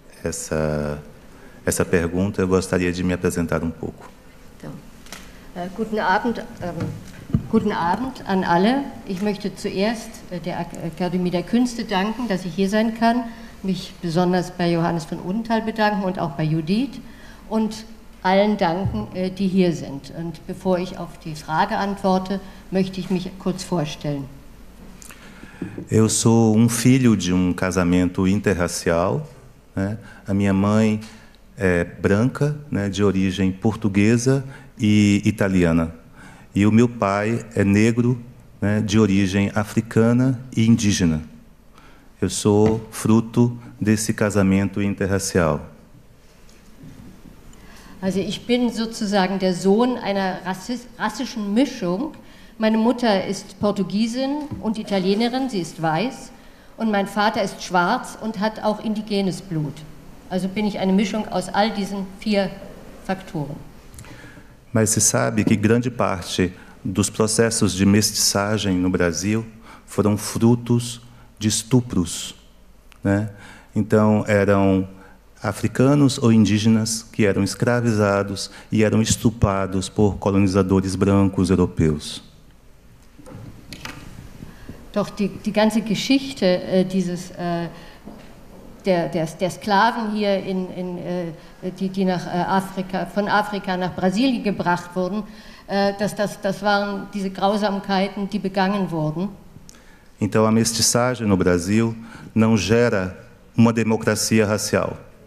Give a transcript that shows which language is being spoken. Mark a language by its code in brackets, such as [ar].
[pt] essa pergunta, eu gostaria de me apresentar pouco. [de] Então, guten Abend, guten Abend an alle. Ich möchte zuerst der Akademie der Künste danken, dass ich hier sein kann, mich besonders bei Johannes von Odenthal bedanken und auch bei Judith und allen danken, die hier sind. Und bevor ich auf die Frage antworte, möchte ich mich kurz vorstellen. [pt] Eu sou filho de casamento interracial, né? A minha mãe é branca, né, de origem portuguesa e italiana. E o meu pai é negro, né, de origem africana e indígena. Eu sou fruto desse casamento interracial. [de] Also ich bin sozusagen der Sohn einer rassischen Mischung. Meine Mutter ist Portugiesin und Italienerin, sie ist weiß. Und mein Vater ist schwarz und hat auch indigenes Blut. Also bin ich eine Mischung aus all diesen vier Faktoren. [pt] Mas você sabe que grande parte dos processos de mestiçagem no Brasil foram frutos de estupros, né? Então eram africanos ou indígenas que eram escravizados e eram estuprados por colonizadores brancos europeus. [de] Doch die ganze Geschichte dieses der Sklaven hier in die nach Afrika von Afrika nach Brasilien gebracht wurden, das waren diese Grausamkeiten, die begangen wurden. [pt] Então a mestiçagem no Brasil não gera uma democracia racial.